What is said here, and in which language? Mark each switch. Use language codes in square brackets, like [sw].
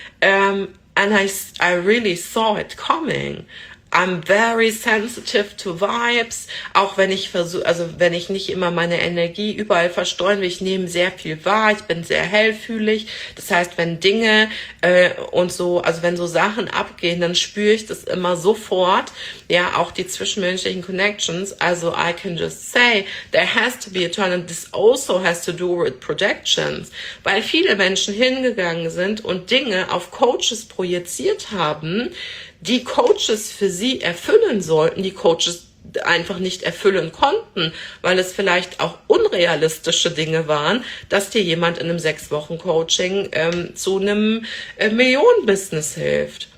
[en] And I really saw it coming. I'm very sensitive to vibes. [de] Auch wenn ich versuche, also wenn ich nicht immer meine Energie überall verstreuen will, ich nehme sehr viel wahr. Ich bin sehr hellfühlig. Das heißt, wenn Dinge und so, also wenn so Sachen abgehen, dann spüre ich das immer sofort. Ja, auch die zwischenmenschlichen Connections. [en] Also I can just say, there has to be a turn. And this also has to do with projections. [de] Weil viele Menschen hingegangen sind und Dinge auf Coaches projiziert haben, die Coaches für sie erfüllen sollten, die Coaches einfach nicht erfüllen konnten, weil es vielleicht auch unrealistische Dinge waren, dass dir jemand in einem 6-Wochen-Coaching zu einem Millionen-Business hilft.